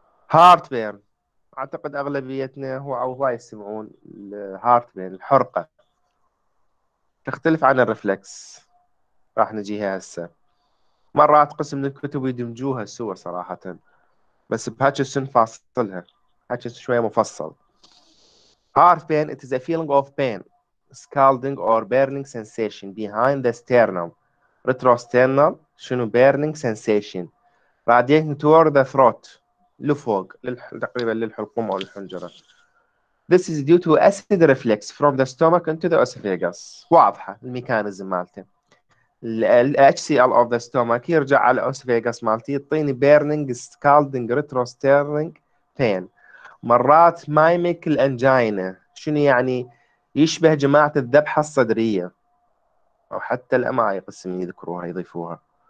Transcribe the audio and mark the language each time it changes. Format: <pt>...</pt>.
<ar>هارت بيرن اعتقد اغلبيتنا هو او هواي يسمعون الهارت بيرن الحرقه تختلف عن الرفلكس راح نجيها هسه مرات قسم من الكتب يدمجوها سوا صراحه بس بهاتشسون فاصلها هاتشسون شويه مفصل.</ar> <en>Heart pain, it is a feeling of pain, scalding or burning sensation behind the sternum. Retrosternal,</en> <ar>شنو</ar> <en>burning sensation. Radiating toward the throat,</en> <ar>لفوق, تقريبا للحلقوم أو للحنجرة.</ar> <en>This is due to acid reflex from the stomach into the esophagus.</en> <ar>واضحة, الميكانيزم مالتي.</ar> <en>HCL of the stomach</en> <ar>يرجع على الأسفيغس مالتي, يعطيني</ar> <en>burning, scalding, retrosternal pain.</en> <ar>مرات مايميك الانجينا شنو يعني يشبه جماعة الذبحة الصدرية أو حتى الأمعاء يقسمين يذكروها يضيفوها.</ar>